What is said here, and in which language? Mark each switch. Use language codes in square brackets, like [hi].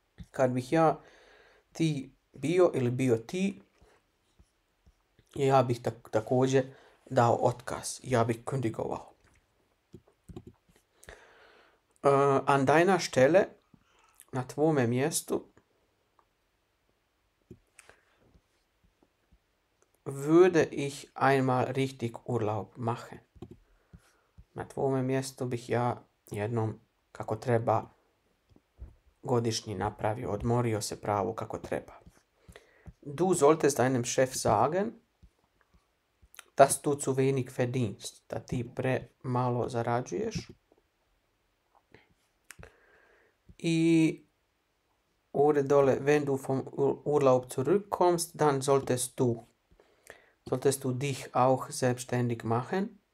[hr] Kad bih ja ti bio ili bio ti, ja bih također dao otkaz. Ja bih kündigovao. [de] An deiner Stelle, [hr] na tvome mjestu, [de] würde ich einmal richtig Urlaub machen. [hr] Na tvome mjestu bih ja jednom, kako treba, godišnji napravio, odmorio se pravo kako treba. [de] Du solltest deinem Chef sagen, dass du zu wenig verdienst, [hr] da ti pre malo zarađuješ. I ovdje dole, [de] wenn du vom Urlaub zurückkommst, dann solltest du dich auch selbstständig machen.